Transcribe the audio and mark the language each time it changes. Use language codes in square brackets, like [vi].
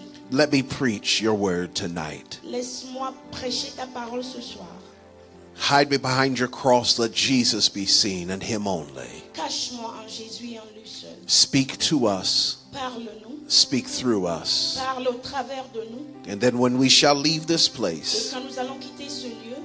[en] Let me preach your word tonight. [fr] Laisse-moi prêcher ta parole ce soir. [en] Hide me behind your cross. Let Jesus be seen and him only. [fr] Cache-moi en Jésus et en lui seul. [en] Speak to us. [fr] Parle-nous. [en] Speak through us. [fr] Parle au travers de nous. [en] And then when we shall leave this place, [fr] et quand nous allons quitter ce lieu,